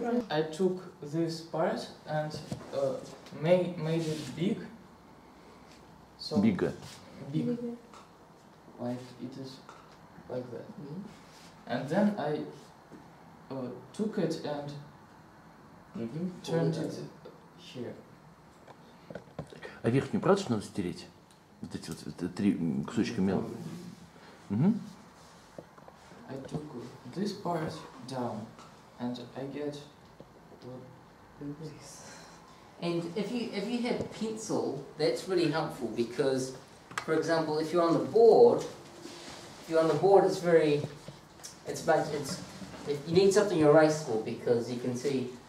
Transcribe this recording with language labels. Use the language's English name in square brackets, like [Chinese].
[English] I took this part and made it big. So bigger. Big. Like it is like that. Mm-hmm. And then I took it and turned it here. [Russian] А верхнюю правду что надо стереть? Вот эти вот три кусочка мела. [English] I took this part down, and I get this. And if you have pencil, that's really helpful because, for example, if you're on the board, you need something erasable because you can see.